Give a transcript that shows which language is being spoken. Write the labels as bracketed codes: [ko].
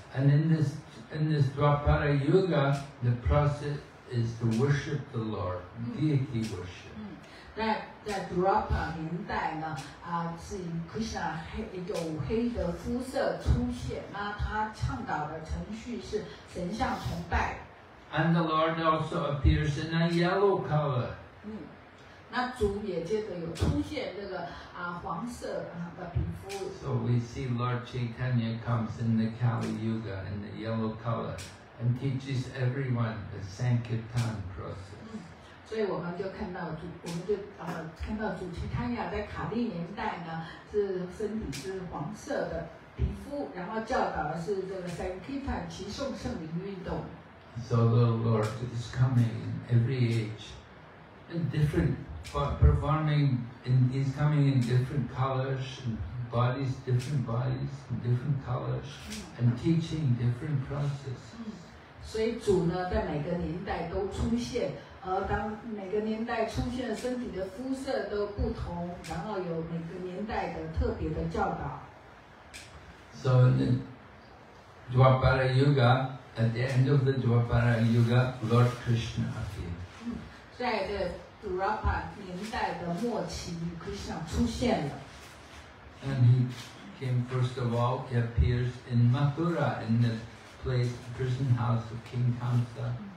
[en] And in this Dwapara Yuga, the process is to worship the Lord, deity worship. [zh] 在 Dwapara 年代呢，是以 Krishna 有黑的肤色出现，那他倡导的程序是神像崇拜。 [en] And the Lord also appears in a yellow color. [zh] 那主也接着有出现这个黄色的皮肤。 [en] So we see Lord Chaitanya comes in the Kali Yuga in the yellow color and teaches everyone the Sankirtan process. [zh] 所以我们就看到主，我们就看到主齐坦雅在卡利年代呢，是身体是黄色的皮肤，然后教导的是这个 Sankirtan 齐颂圣灵运动。 [en] So the Lord is coming in every age, in different, performing, in, he's coming in different colors, and bodies, different bodies, in different colors, and teaching different processes. [zh] 所以主呢，在每个年代都出现，而当每个年代出现，身体的肤色都不同，然后有每个年代的特别的教导。 [en] So in Dwapara Yuga,at the end of the Dwapara Yuga, Lord Krishna appeared. [zh] 在这 Dwapara 年代的末期， Krishna 出现了。 [en] And he came first of all, he appears in Mathura, in the place, the prison house of King Kamsa.